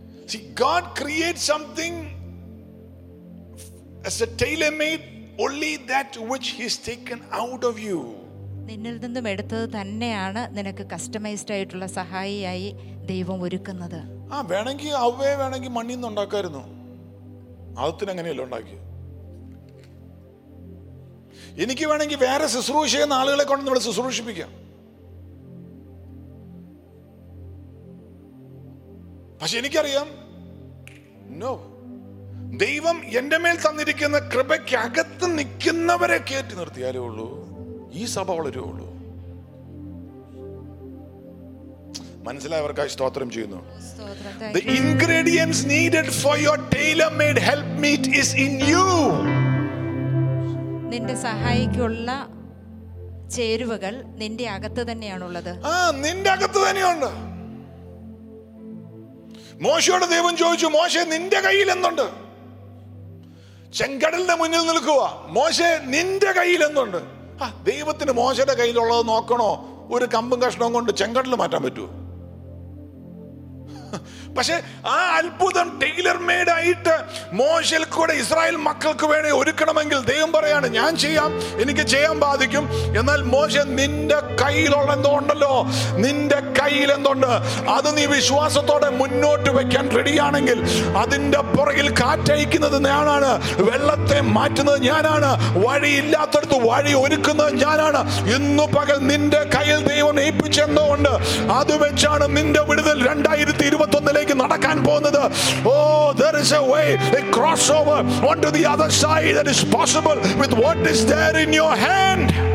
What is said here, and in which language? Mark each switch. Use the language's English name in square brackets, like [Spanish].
[English] See, God creates something as a tailor-made only that which he's taken out of you. [Malayalam] നിന്നിൽ നിന്നും എടുത്തത് തന്നെയാണ് നിനക്ക് കസ്റ്റമൈസ്ഡ് ആയിട്ടുള്ള സഹായിയായി ദൈവം ഒരുക്കുന്നത്. ആ വേണമെങ്കിൽ അവയെ വേണമെങ്കിൽ മണ്ണിൽ നിന്ന് ഉണ്ടാക്കായിരുന്നു, അതത്തിന് അങ്ങനെയല്ല ഉണ്ടാക്കി. എനിക്ക് വേണമെങ്കിൽ വേറെ ശുശ്രൂഷ ചെയ്യുന്ന ആളുകളെ കൊണ്ട് നമ്മൾ ശുശ്രൂഷിപ്പിക്കാം, പക്ഷെ എനിക്കറിയാം നോ, ദൈവം എന്റെ മേൽ തന്നിരിക്കുന്ന കൃപയ്ക്കകത്ത് നിൽക്കുന്നവരെ കയറ്റി നിർത്തിയാലേ ഉള്ളൂ ഈ സഭ വളരുള്ളൂ. മനസ്സിലായവർക്ക് സ്തോത്രം ചെയ്യുന്നു. [English] The ingredients needed for your tailor-made helpmeet is in you. [Malayalam] നിന്റെ സഹായിക്കുള്ള ചേരുവകൾ നിന്റെ അകത്ത് തന്നെയാണുള്ളത്. ആ നിന്റെ അകത്ത് തന്നെയുണ്ട്. മോശയോട് ദൈവം ചോദിച്ചു, മോശ നിന്റെ കയ്യിൽ എന്തുണ്ട്? ചെങ്കടലിന്റെ മുന്നിൽ നിൽക്കുക, മോശ നിന്റെ കയ്യിൽ എന്തുണ്ട്? ദൈവത്തിന് മോശയുടെ കയ്യിലുള്ളത് നോക്കണോ? ഒരു കമ്പും കഷ്ണവും കൊണ്ട് ചെങ്കടൽ മാറ്റാൻ പറ്റുമോ? പക്ഷെ ആ അത്ഭുതം ടെയ്ലർ മെയ്ഡ് ആയിട്ട് മോശയിൽ കൂടെ ഇസ്രായേൽ മക്കൾക്ക് വേണ്ടി ഒരുക്കണമെങ്കിൽ ദൈവം പറയാണ്, ഞാൻ ചെയ്യാം, എനിക്ക് ചെയ്യാൻ ബാധിക്കും, എന്നാൽ മോശ നിന്റെ കയ്യിലുള്ള എന്തോ ഉണ്ടല്ലോ, നിന്റെ കയ്യിൽ എന്തുണ്ട്, അത് നീ വിശ്വാസത്തോടെ മുന്നോട്ട് വെക്കാൻ റെഡിയാണെങ്കിൽ അതിന്റെ പുറകിൽ കാറ്റയക്കുന്നത് ഞാനാണ്, വെള്ളത്തെ മാറ്റുന്നത് ഞാനാണ്, വഴിയില്ലാത്തടത്ത് വഴി ഒരുക്കുന്നത് ഞാനാണ്. ഇന്ന് പകൽ നിന്റെ കയ്യിൽ ദൈവം ഏൽപ്പിച്ചെന്തോ ഉണ്ട്, അത് വെച്ചാണ് നിന്റെ വിടുതൽ 2021 നടക്കാൻ പോകുന്നത്. [English] Oh, there is a way, a crossover onto the other side that is possible with what is there in your hand.